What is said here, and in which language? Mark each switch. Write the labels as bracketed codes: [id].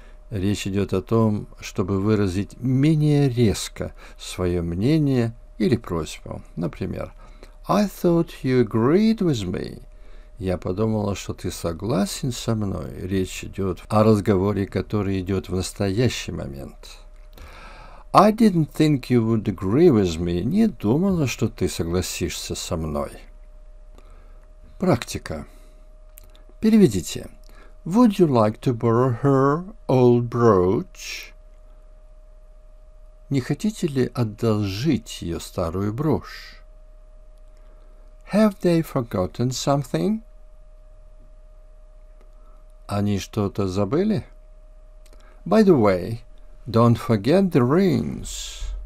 [ru] Речь идет о том, чтобы выразить менее резко свое мнение или просьбу. Например, [en] I thought you agreed with me. [ru] Я подумала, что ты согласен со мной. Речь идет о разговоре, который идет в настоящий момент. [en] I didn't think you would agree with me. [ru] Не думала, что ты согласишься со мной. Практика. Переведите. [en] Would you like to borrow her old brooch? [ru] Не хотите ли одолжить ее старую брошь? [en] Have they forgotten something? [ru] Они что-то забыли? [en] By the way, don't forget the rings.